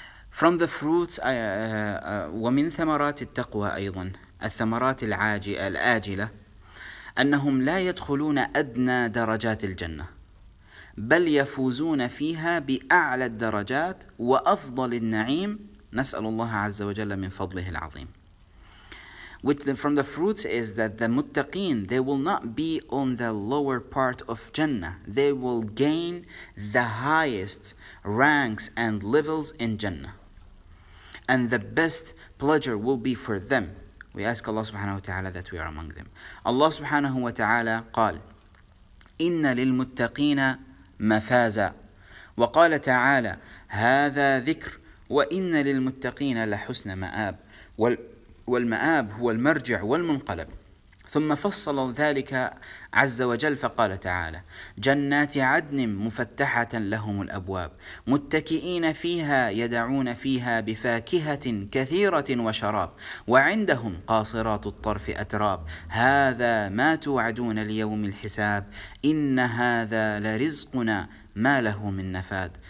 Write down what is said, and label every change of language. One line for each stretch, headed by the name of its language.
English: From the fruits,
Arabic: ومن ثمرات التقوى أيضا الثمرات الآجلة أنهم لا يدخلون أدنى درجات الجنة بل يفوزون فيها بأعلى الدرجات وأفضل النعيم. نسأل الله عز وجل من فضله العظيم.
English: Which from the fruits is that the muttaqeen, they will not be on the lower part of Jannah. They will gain the highest ranks and levels in Jannah. And the best pleasure will be for them. We ask Allah subhanahu wa ta'ala that we are among them.
Arabic: Allah subhanahu wa ta'ala قال إِنَّ لِلْمُتَّقِينَ مَفَازًا وَقَالَ تَعَالَى هَذَا ذِكْرٌ وَإِنَّ لِلْمُتَّقِينَ لَحُسْنَ مَآبٍ والمآب هو المرجع والمنقلب. ثم فصل ذلك عز وجل فقال تعالى جنات عدن مفتحة لهم الأبواب متكئين فيها يدعون فيها بفاكهة كثيرة وشراب وعندهم قاصرات الطرف أتراب هذا ما توعدون ليوم الحساب إن هذا لرزقنا ما له من نفاد.